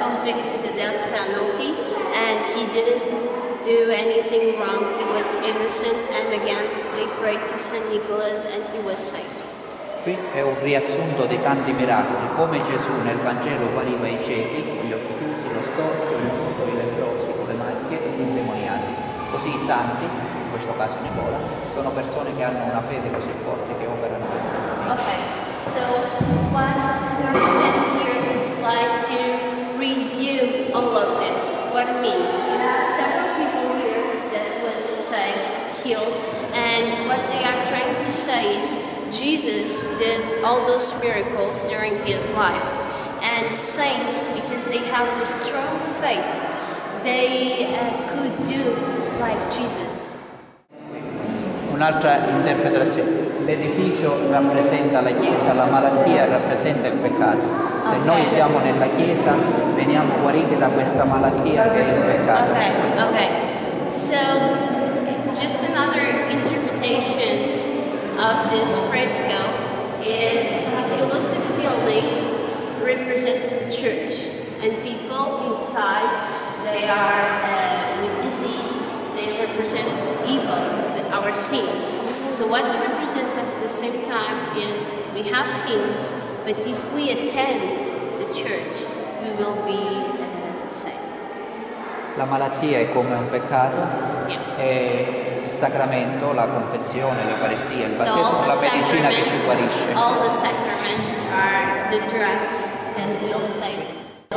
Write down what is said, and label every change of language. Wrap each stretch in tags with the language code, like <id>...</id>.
<en>To the death penalty, and he didn't do anything wrong, he was innocent, and again they prayed to St. Nicholas and he was saved.</en> <it>Qui è un riassunto dei tanti miracoli, come Gesù nel Vangelo guariva i ciechi, gli occhi chiusi, lo storpio, il muto, i lebbrosi, con le macchie e gli indemoniati. Così i santi, in questo caso Nicola, sono persone che hanno una fede così forte che operano questo.</it> <en>Ok, so what represents here is like to resume all of this. What it means? You have several people here that was saved, healed, and what they are trying to say is Jesus did all those miracles during his life. And saints, because they have the strong faith, they could do like Jesus.</en> <it>Un un'altra interpretazione. L'edificio rappresenta la Chiesa, la malattia rappresenta il peccato. Se noi siamo nella Chiesa, veniamo guariti da questa malattia che è il peccato.</it> <en>Okay. So, just another interpretation of this fresco is, if you look to the building, represents the church. And people inside, they are with disease, they represent evil, our sins. So what represents us at the same time is we have sins, but if we attend the church, we will be saved.</en> <it>La malattia è come un peccato, e il sacramento, la confessione, l'eucaristia, il battesimo, la medicina che ci guarisce.</it> <en>All the sacraments are the drugs that will save us.</en>